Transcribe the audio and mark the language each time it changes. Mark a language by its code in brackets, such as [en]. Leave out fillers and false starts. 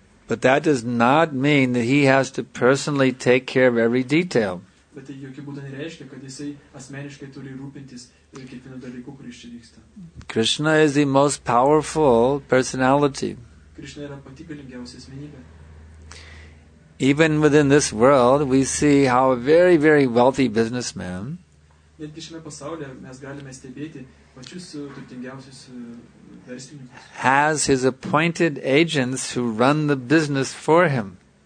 [en] But that does not mean that he has to personally take care of every detail. [lt] Bet tai jokių būdų nereiškia, kad jisai asmeniškai turi rūpintis kiekvienu dalyku, kuris čia vyksta. [en] Krishna is the most powerful personality. [lt] Krishna yra pati galingiausia asmenybė. [en] Even within this world, we see how a very, very wealthy businessman has his appointed agents who run the business for him.